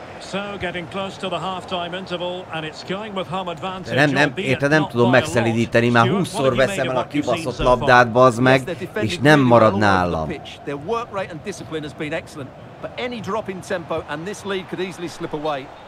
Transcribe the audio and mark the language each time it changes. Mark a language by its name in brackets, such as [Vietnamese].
[English] So, getting close to the half-time interval, and it's going with home advantage. [Hungarian] Nem, érte, nem tudom megszelidíteni, már 20-szor veszem el a kibaszott labdát, bassz meg, és nem marad nálam. [English] Their work rate and discipline has been excellent. But any drop in tempo and this lead could easily slip away.